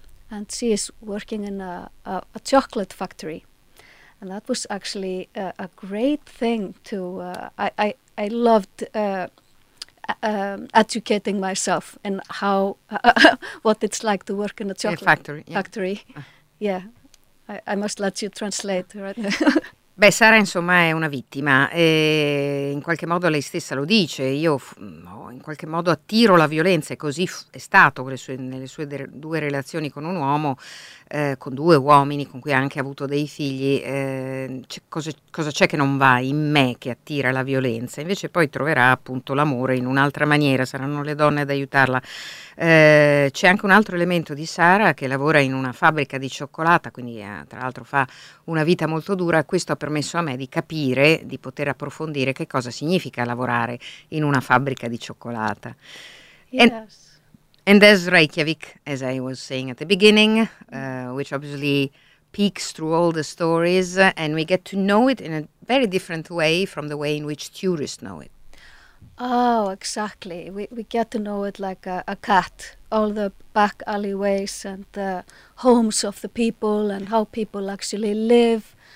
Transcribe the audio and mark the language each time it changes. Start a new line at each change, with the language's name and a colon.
English: And she is working in a chocolate factory. And that was actually a great thing to... I loved educating myself in how what it's like to work in a chocolate factory. Yeah, I must let you translate, right?
Italian: Beh, Sara insomma è una vittima e in qualche modo lei stessa lo dice, io in qualche modo attiro la violenza e così è stato nelle sue due relazioni con un uomo, con due uomini con cui ha anche avuto dei figli, cosa c'è che non va in me che attira la violenza? Invece poi troverà appunto l'amore in un'altra maniera, saranno le donne ad aiutarla. C'è anche un altro elemento di Sara che lavora in una fabbrica di cioccolata, quindi tra l'altro fa una vita molto dura, questo permesso a me di capire, di poter approfondire che cosa significa lavorare in una fabbrica di cioccolata.
English: Yes. And there's Reykjavik, as I was saying at the beginning, which obviously peeks through all the stories, and we get to know it in a very different way from the way in which tourists know it. Oh, exactly. We get to know it like a cat, all the back alleyways and the homes of the people and how people actually live.